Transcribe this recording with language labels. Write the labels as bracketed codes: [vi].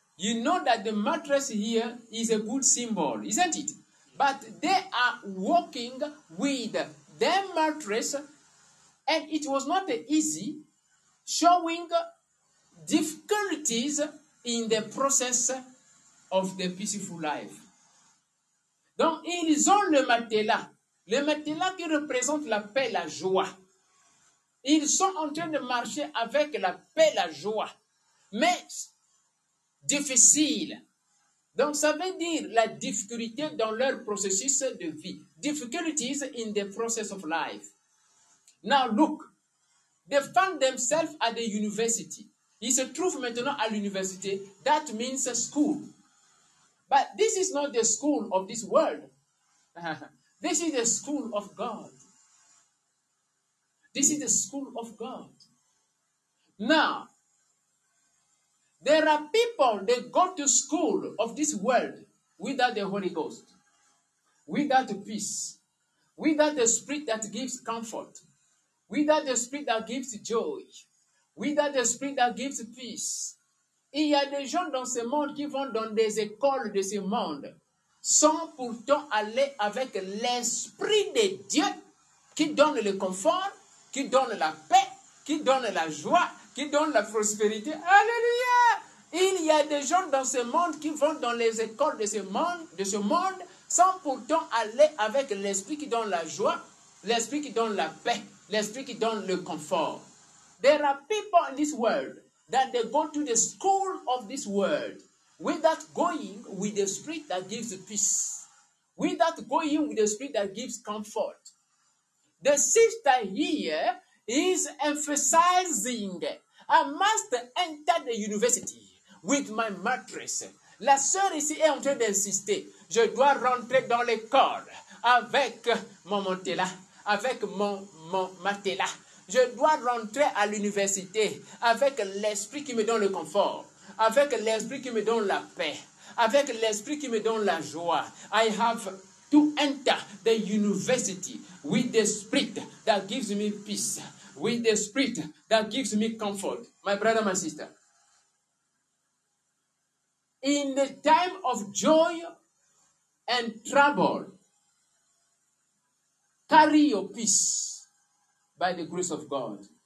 [en] You know that the mattress here is a good symbol, isn't it? But they are walking with their mattress, and it was not easy, showing difficulties in the process of the peaceful life. [fr] Donc, ils ont le matelas qui représente la paix, la joie. Ils sont en train de marcher avec la paix, la joie, mais difficile. Donc, ça veut dire la difficulté dans leur processus de vie. [en] Difficulties in the process of life. Now, look. They found themselves at the university. [fr] Ils se trouvent maintenant à l'université. [en] That means school. But this is not the school of this world. This is the school of God. This is the school of God. Now, there are people that go to school of this world without the Holy Ghost, without peace, without the Spirit that gives comfort, without the Spirit that gives joy, without the Spirit that gives peace. [fr] Il y a des gens dans ce monde qui vont dans des écoles de ce monde sans pourtant aller avec l'Esprit de Dieu qui donne le confort, qui donne la paix, qui donne la joie, qui donne la prospérité. Alléluia! Il y a des gens dans ce monde qui vont dans les écoles de ce monde sans pourtant aller avec l'Esprit qui donne la joie, l'Esprit qui donne la paix, l'Esprit qui donne le confort. [en] There are people in this world that they go to the school of this world without going with the Spirit that gives peace, without going with the Spirit that gives comfort. The sister here is emphasizing, I must enter the university with my mattress. [fr] La sœur ici est en train d'insister, je dois rentrer dans l'école avec mon matelas, avec mon matelas. Je dois rentrer à l'université avec l'Esprit qui me donne le confort, avec l'Esprit qui me donne la paix, avec l'Esprit qui me donne la joie. [en] I have to enter the university with the Spirit that gives me peace, with the Spirit that gives me comfort. My brother, my sister. In the time of joy and trouble, carry your peace by the grace of God.